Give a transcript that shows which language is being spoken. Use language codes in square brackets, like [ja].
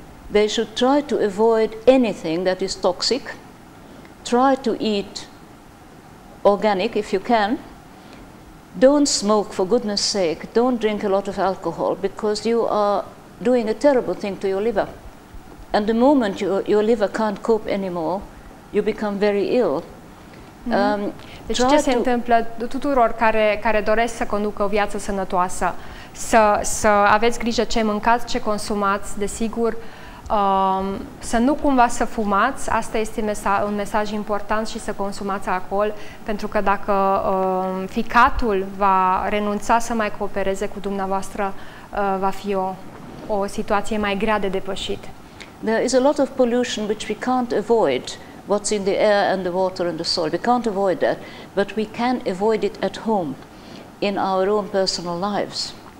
[en] They should try to avoid anything that is toxic. Try to eat organic if you can. Don't smoke, for goodness sake. Don't drink a lot of alcohol, because you are doing a terrible thing to your liver. And the moment your liver can't cope anymore, you become very ill. [ro] Deci ce se întâmplă tuturor care doresc să conducă o viață sănătoasă? Să aveți grijă ce mâncați, ce consumați, desigur. Să nu cumva să fumați, asta este un mesaj important, și să consumați alcool, pentru că dacă ficatul va renunța să mai coopereze cu dumneavoastră, va fi o situație mai grea de depășit. [en] There is a lot of pollution which we can't avoid, what's in the air and the water and the soil. We can't avoid that, but we can avoid it at home, in our own personal lives.